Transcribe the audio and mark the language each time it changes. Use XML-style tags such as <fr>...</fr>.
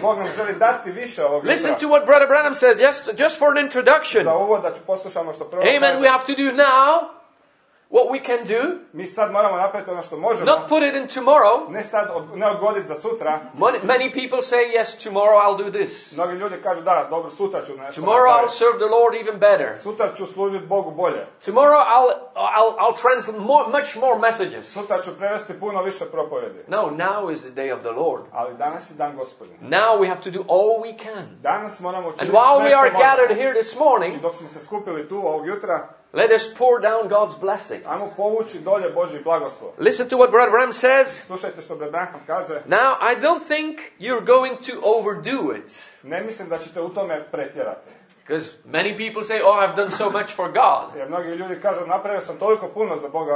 <hr>Bog nam želi dati više ovog jutra.</hr> <en>Listen to what Brother Branham said just for an introduction.</en> <hr>Za uvod da ću poslušamo što prvo.</hr> <en>Amen. We have to do now what we can do.</en> <hr>Mi sad moramo napraviti ono što možemo.</hr> <en>Not put it in tomorrow.</en> <hr>Ne sad, ne odgoditi za sutra.</hr> <en>Many people say yes, tomorrow I'll do this.</en> <hr>Mnogi ljudi kažu da, dobro, sutra ću nešto.</hr> <en>Tomorrow I'll serve the Lord even better.</en> <hr>Sutra ću služiti Bogu bolje.</hr> <en>Tomorrow I'll translate much more messages.</en> <hr>Sutra ću prevesti puno više propovjedi.</hr> <en>No, now is the day of the Lord.</en> <hr>Ali danas je dan Gospodin.</hr> <en>Now we have to do all we can.</en> <hr>Danas moramo učiniti.</hr> <en>And while we are gathered here this morning,</en> <hr>dok smo se skupili tu ovog jutra,</hr> <en>let us pour down God's blessings.</en> <hr>Ajmo povući dolje Božji blagoslov.</hr> <en>Listen to what Brother Branham says.</en> <hr>Slušajte što Brother Branham kaže.</hr> <en>Now, I don't think you're going to overdo it.</en> <hr>Ne mislim da ćete u tome pretjerati.</hr> <en>Because many people say, oh, I've done so much for God.</en> <hr>Jer mnogi ljudi kažu, napravio sam toliko puno za Boga.</hr>